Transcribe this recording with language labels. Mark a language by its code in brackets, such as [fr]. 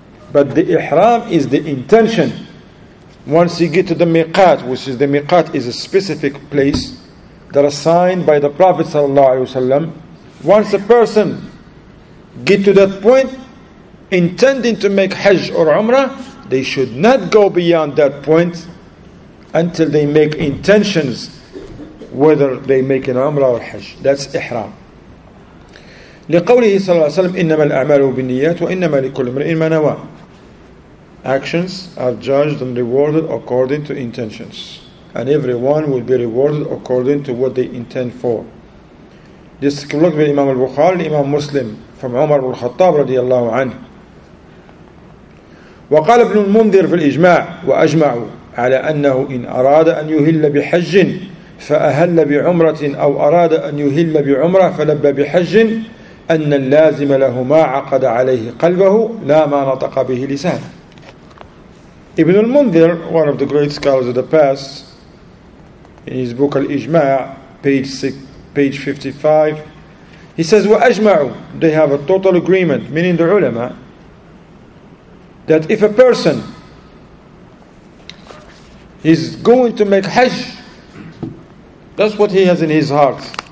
[en] But the ihram is the intention. Once you get to the miqat, which is the miqat is a specific place that is assigned by the Prophet ﷺ. Once a person get to that point, intending to make Hajj or Umrah, they should not go beyond that point until they make intentions whether they make an Umrah or Hajj. That's Ihram. [ar] لقوله صلى الله عليه وسلم إنما الأعمال بالنيات وإنما لكل امرئ ما نوى. [en] Actions are judged and rewarded according to intentions, and everyone will be rewarded according to what they intend for. This is from the Imam al-Bukhari, the Imam Muslim, from Umar ibn al-Khattab رضي الله عنه. [ar] وقال ابن المنذر في الإجماع وأجمعوا على أنه إن أراد أن يهل بحج فأهل بعمرة أو أراد أن يهل بعمرة فلبى بحج أن اللازم له ما عقد عليه قلبه لا ما نطق به لسانه. [en] Ibn al-Mundhir, one of the great scholars of the past, in his book Al-Ijma', page 55, he says, [ar] وَأَجْمَعُوا, [en] they have a total agreement, meaning the ulama, that if a person is going to make Hajj, that's what he has in his heart.